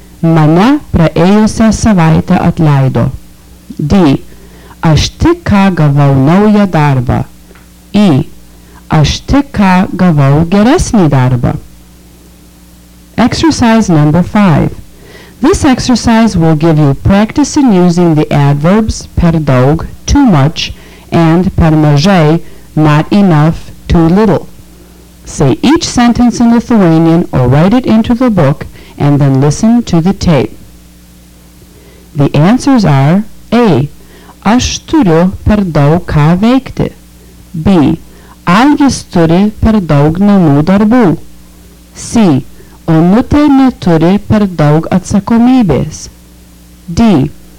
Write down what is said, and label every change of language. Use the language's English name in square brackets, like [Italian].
[Lithuanian] Mane praėjusią savaitę atleido. D. Aš tik ką gavau naują darbą. E. Aš tik ką gavau geresnį darbą. [English] Exercise number 5. This exercise will give you practice in using the adverbs per daug, too much, and per mažai, not enough, too little. Say each sentence in Lithuanian or write it into the book and then listen to the tape. The answers are A. [Lithuanian] Aš turiu per daug ką veikti. B. Algis turi per daug namų darbų. C. Onutė neturi per daug atsakomybės. D.